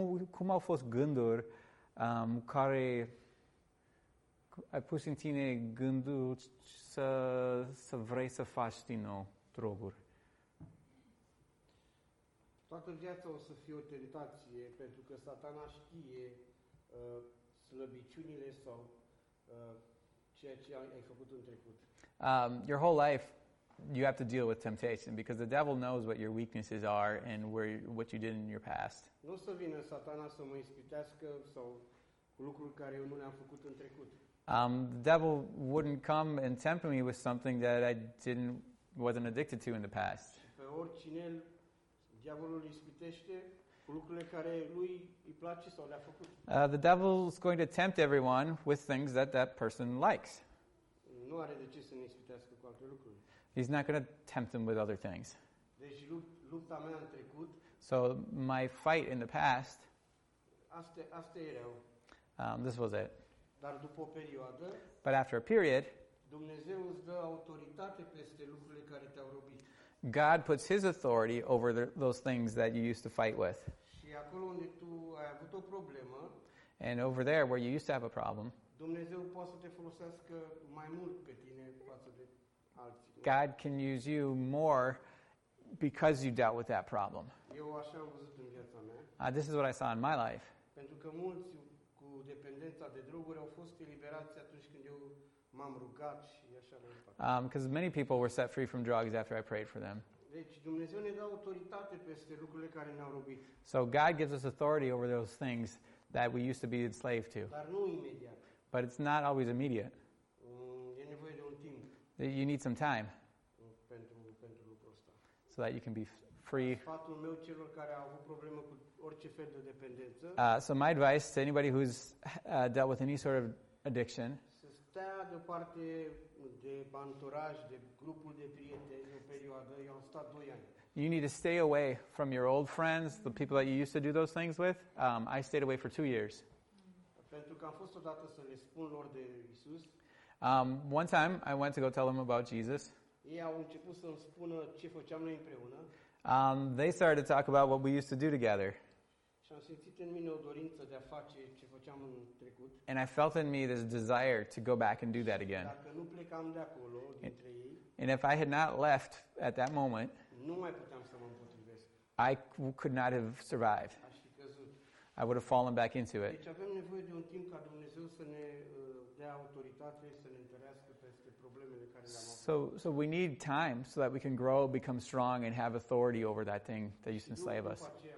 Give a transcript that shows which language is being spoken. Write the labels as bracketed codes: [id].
[ro] Cum au fost gânduri care ai pus în tine gândul să vrei să faci din nou droguri? Toată viața o să fie o tentație, pentru că Satana știe slăbiciunile sau ceea ce ai făcut în trecut. [en] Your whole life, you have to deal with temptation, because the devil knows what your weaknesses are and what you did in your past. [ro] Nu o să vină Satana să mă ispitească sau cu lucruri care eu nu le-am făcut în trecut. [en] The devil wouldn't come and tempt me with something that I wasn't addicted to in the past. [ro] Pe oricine diavolul ispitește cu lucrurile care lui îi place sau le-a făcut. [en] The devil is going to tempt everyone with things that person likes. [ro] Nu are de ce să ne ispitească cu alte lucruri. [en] He's not going to tempt them with other things. [ro] Deci lupta mea în trecut. [en] So my fight in the past. [ro] Asta erau. [en] This was it. [ro] Dar după o perioadă. [en] But after a period. [ro] Dumnezeu îți dă autoritate peste lucrurile care te-au robit. [en] God puts his authority over those things that you used to fight with. [ro] Și acolo unde tu ai avut o problemă, [en] and over there where you used to have a problem, [ro] Dumnezeu poate să te folosească mai mult pe tine față de alții. [en] God can use you more because you dealt with that problem. [ro] Eu așa am văzut în viața mea. [en] This is what I saw in my life. [ro] Pentru că mulți cu dependența de droguri au fost eliberați atunci când eu m-am rugat și așa l-am făcut. [en] Because many people were set free from drugs after I prayed for them. [ro] Deci Dumnezeu ne dă autoritate peste lucrurile care ne-au robit. [en] So God gives us authority over those things that we used to be enslaved to. [ro] Dar nu imediat. [en] But it's not always immediate. [ro] E nevoie de un timp. [en] You need some time. [ro] Pentru lucrul ăsta. [en] So that you can be free. [ro] Sfatul meu celor care au avut probleme cu orice fel de dependență. [en] So my advice to anybody who's dealt with any sort of addiction. [ro] Stea deoparte de banturaj, de grupul de prieteni, o perioadă, eu am stat 2 ani. [en] You need to stay away from your old friends, the people that you used to do those things with. I stayed away for 2 years. [ro] Pentru că am fost odată să le spun lor de Isus. [en] One time, I went to go tell them about Jesus. [ro] Ei au început să-mi spună ce făceam noi împreună. [en] They started to talk about what we used to do together. [ro] Și am simțit în mine o dorință de a face ce făceam în trecut. [en] And I felt in me this desire to go back and do that again. [ro] Dacă nu plecam de acolo, dintre ei, [en] and if I had not left at that moment, [ro] nu mai puteam să mă împotrivesc. [en] I could not have survived. [ro] Aș fi căzut. [en] I would have fallen back into it. [ro] Deci avem nevoie de un timp ca Dumnezeu să ne dea autoritate, să ne întărească peste problemele care le-am avut. [en] So we need time so that we can grow, become strong, and have authority over that thing that used to enslave us.